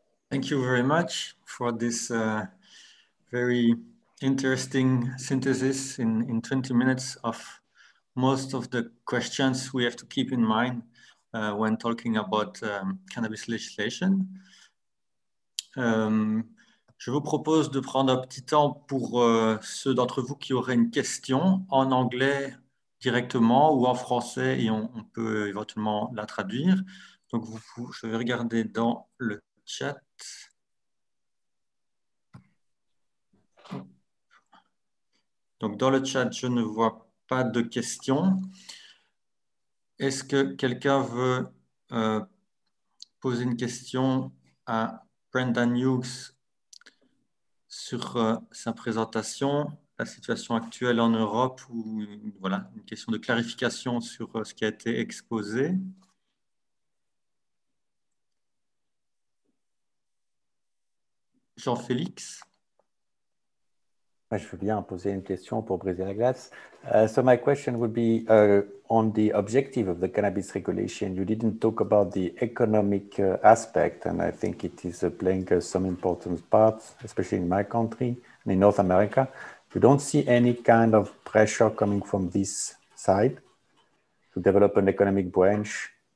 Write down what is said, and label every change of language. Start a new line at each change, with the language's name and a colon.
English: Thank you very much for this very interesting synthesis in 20 minutes of most of the questions we have to keep in mind when talking about cannabis legislation.
French: Je vous propose de prendre un petit temps pour ceux d'entre vous qui auraient une question en anglais directement ou en français, et on peut éventuellement la traduire. Donc, je vais regarder dans le chat. Donc, dans le chat, je ne vois pas de questions. Est-ce que quelqu'un veut poser une question à Brendan Hughes sur sa présentation, la situation actuelle en Europe, ou voilà, une question de clarification sur ce qui a été exposé? Jean-Félix? Je veux bien poser une question pour briser la glace.
English: So my question would be on the objective of the cannabis regulation. You didn't talk about the economic aspect, and I think it is playing some important part, especially in my country and in North America. You don't see any kind of pressure coming from this side to develop an economic branch?